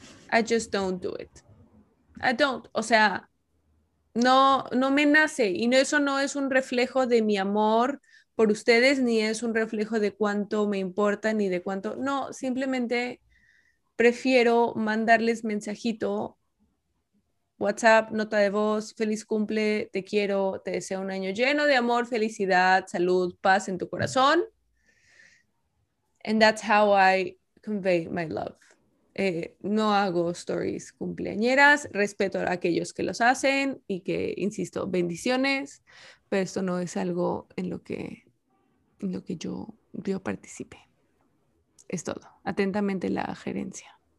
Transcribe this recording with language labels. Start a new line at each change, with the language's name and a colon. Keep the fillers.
English: I just don't do it. I don't.
Spanish: O sea, no, no me nace y no, eso no es un reflejo de mi amor por ustedes, ni es un reflejo de cuánto me importa, ni de cuánto, no, simplemente prefiero mandarles mensajito, WhatsApp, nota de voz, feliz cumple, te quiero, te deseo un año lleno de amor, felicidad, salud, paz en tu corazón.
English: And that's how I convey my love.
Spanish: Eh, no hago stories cumpleañeras, respeto a aquellos que los hacen y que, insisto, bendiciones, pero esto no es algo en lo que, en lo que yo, yo participe. Es todo. Atentamente la gerencia.